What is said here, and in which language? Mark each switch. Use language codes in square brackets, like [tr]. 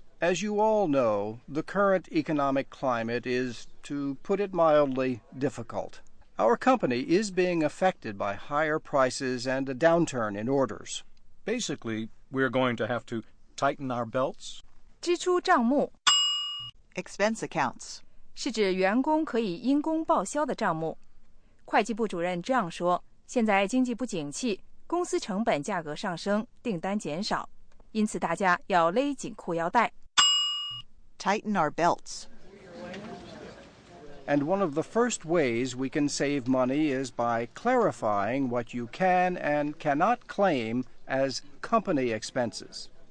[en] As you all know, the current economic climate is, to put it mildly, difficult. Our company is being affected by higher prices and a downturn in orders. Basically, we're going to have to tighten our belts. [zh] 支出账目 [en] expense accounts [zh] 是指员工可以因公报销的账目。会计部主任这样说，现在经济不景气，公司成本价格上升，订单减少，因此大家要勒紧裤腰带。 [en] Tighten our belts. And one of the first ways we can save money is by clarifying what you can and cannot claim as company expenses.